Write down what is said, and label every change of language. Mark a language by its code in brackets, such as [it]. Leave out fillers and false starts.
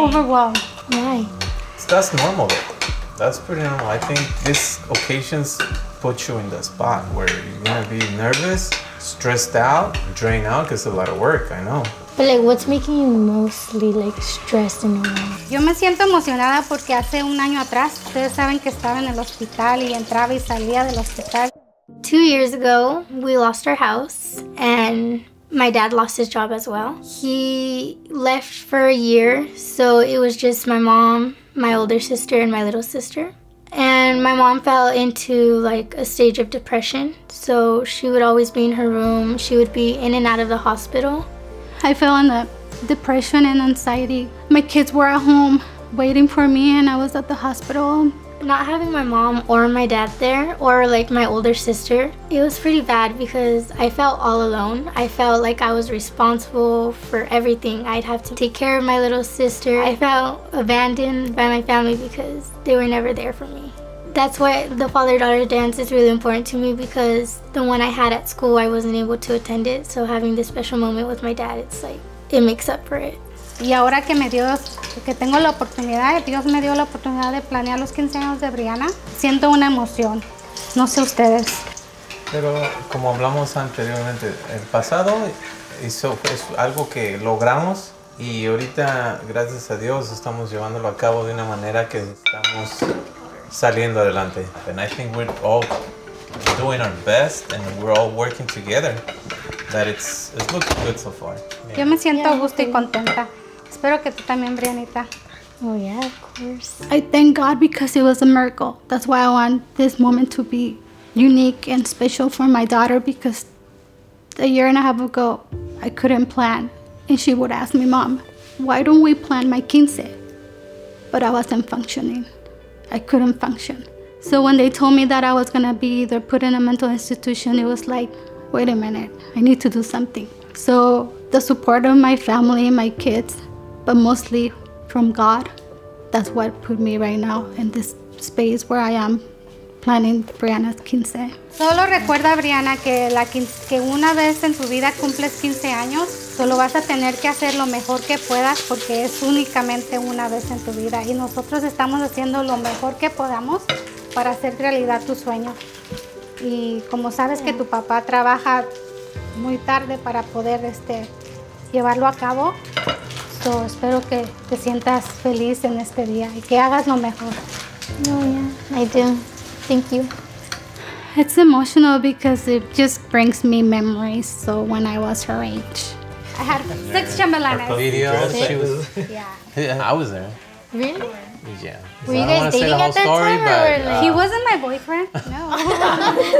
[en] Overwhelmed. Why? That's normal. That's pretty normal. I think these occasions put you in the spot where you're gonna be nervous, stressed out, drained out, because it's a lot of work, I know. But like, what's making you mostly like stressed in your life? [es] Yo me siento emocionada porque hace un año atrás, ustedes saben que estaba en el hospital y entraba y salía del hospital. [en] 2 years ago, we lost our house and my dad lost his job as well. He left for a year, so it was just my mom, my older sister, and my little sister. And my mom fell into like a stage of depression, so she would always be in her room. She would be in and out of the hospital. I fell in that depression and anxiety. My kids were at home waiting for me, and I was at the hospital. Not having my mom or my dad there, or like my older sister, it was pretty bad because I felt all alone. I felt like I was responsible for everything. I'd have to take care of my little sister. I felt abandoned by my family because they were never there for me. That's why the father-daughter dance is really important to me, because the one I had at school, I wasn't able to attend it. So having this special moment with my dad, it's like, it makes up for it. [es] Y ahora que me dio, que tengo la oportunidad, Dios me dio la oportunidad de planear los 15 años de Brianna, siento una emoción. No sé ustedes. Pero como hablamos anteriormente, el pasado hizo, es algo que logramos, y ahorita, gracias a Dios, estamos llevándolo a cabo de una manera que estamos saliendo adelante. [en] And I think we're all doing our best and we're all working together. That it's looking good so far. [es] Yeah. Yo me siento a gusto y contenta. Espero que tú también, Brianita. [en] Oh yeah, of course. I thank God because it was a miracle. That's why I want this moment to be unique and special for my daughter, because a year and a half ago, I couldn't plan. And she would ask me, Mom, why don't we plan my quince? But I wasn't functioning. I couldn't function. So when they told me that I was gonna be either put in a mental institution, it was like, wait a minute, I need to do something. So the support of my family, my kids, but mostly from God, that's what put me right now in this space where I am planning Brianna's quince. [es] Solo recuerda, Brianna, que, la quince, que una vez en tu vida cumples 15 años, solo vas a tener que hacer lo mejor que puedas, porque es únicamente una vez en tu vida. Y nosotros estamos haciendo lo mejor que podamos para hacer realidad tu sueño. Y como sabes que tu papá trabaja muy tarde para poder llevarlo a cabo, so espero que te sientas feliz en este día y que hagas lo mejor. [en] Oh yeah, I do. Thank you. It's emotional because it just brings me memories. So when I was her age, I had six chambelanes. Yeah, I was there. Really? Yeah. Were you guys dating at that story, time? Or like... He wasn't my boyfriend. No.